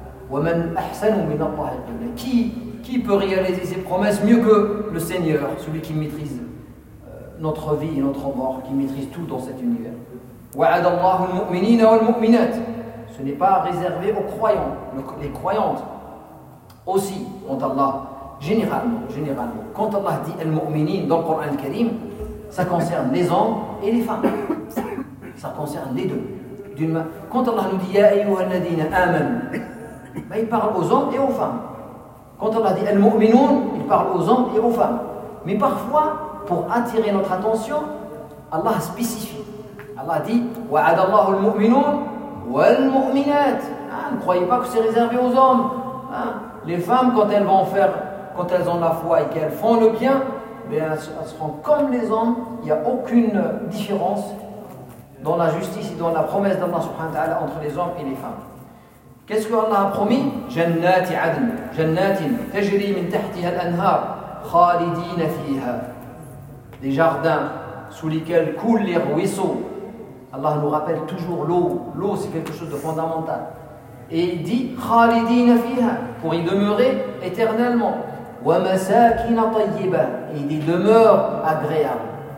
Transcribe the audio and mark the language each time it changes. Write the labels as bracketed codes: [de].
[ar] Wa man ahsanu min Allah al-qibla. [fr] Qui peut réaliser ses promesses mieux que le Seigneur, celui qui maîtrise notre vie et notre mort, qui maîtrise tout dans cet univers. [ar] وعد الله المؤمنين والمؤمنات. [fr] Ce n'est pas réservé aux croyants. Les croyantes aussi ont Allah généralement. Quand Allah dit al-mu'minin dans le Coran al-Karim, ça concerne les hommes et les femmes. Ça concerne les deux. Quand Allah nous dit [ar] ya ayyuha alladhina amanu, [fr] ben il parle aux hommes et aux femmes. Quand Allah dit al-mu'minun, il parle aux hommes et aux femmes. Mais parfois, pour attirer notre attention, Allah spécifie. Allah dit [ar] وعد الله المؤمنون والمؤمنات. [fr] Ne croyez pas que c'est réservé aux hommes. Les femmes, quand elles ont la foi et qu'elles font le bien, elles seront comme les hommes. Il n'y a aucune différence dans la justice et dans la promesse d'Allah subhanahu wa ta'ala entre les hommes et les femmes. Qu'est-ce que Allah a promis ? [ar] جنات عدن جنات تجري من تحتها الأنهار خالدين فيها. [fr] Des jardins sous lesquels coulent les ruisseaux. Allah nous rappelle toujours l'eau. L'eau, c'est quelque chose de fondamental. Et il dit [ar] خالدين فيها, [fr] pour y demeurer éternellement. [ar] ومساكن طيبة, [fr] et des demeures agréables.